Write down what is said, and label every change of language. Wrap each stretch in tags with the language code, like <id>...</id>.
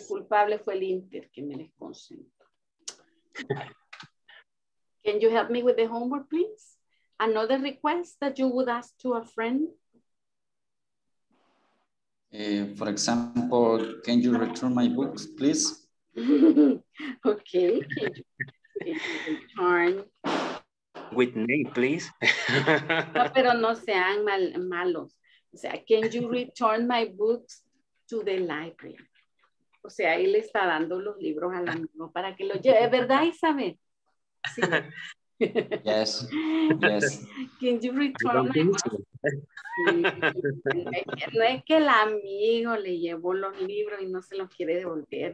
<es>El culpable fue el Inter, que me desconcentró.</es> <en>Can you help me with the homework, please? Another request that you would ask to a friend? For example, can you return my books, please? Okay. Can you return? With me, please.</en> <es>No, pero no sean malos. O sea,</es> <en>can you return my books to the library?</en> <es>O sea, ahí le está dando los libros al amigo para que lo lleve. ¿Verdad, Isabel? Sí.</es> <en>Yes, yes. Can you return my books?</en> <es>No es que el amigo le llevó los libros y no se los quiere devolver.</es>